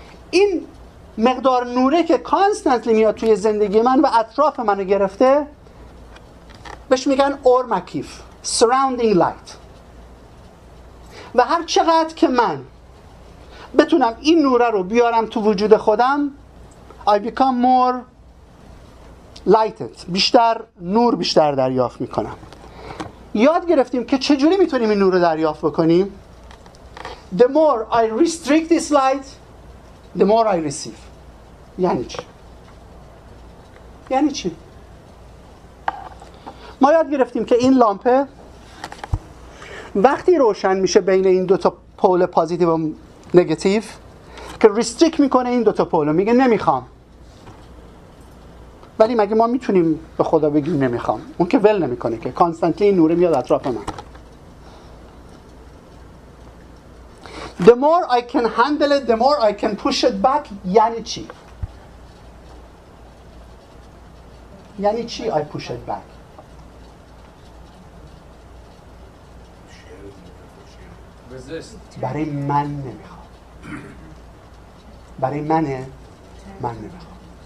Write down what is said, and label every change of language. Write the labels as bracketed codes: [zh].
[fa] این مقدار نوره که کانستنتلی میاد توی زندگی من و اطراف منو گرفته، بهش میگن اور مکیف، surrounding light. و هر چقدر که من بتونم این نوره رو بیارم تو وجود خودم، [en] I become more lighted، [fa] بیشتر نور بیشتر دریافت میکنم. یاد گرفتیم که چجوری میتونیم این نور رو دریافت بکنیم. [en] The more I restrict this light, the more I receive. [fa] یعنی چی؟ ما یاد گرفتیم که این لامپه وقتی روشن میشه بین این دوتا پول پازیتیو و نگتیو که ریستریک میکنه این دوتا پولو، میگه نمیخوام. ولی مگه ما میتونیم به خدا بگیم نمیخوام؟ اون که ول نمیکنه که، کانستنتلی این نوره میاد اطراف من. [en] The more I can handle it, the more I can push it back. [fa] یعنی چی [en] I push it back؟ [fa] برای من نمیخوام. برای منه، من نمیخوام.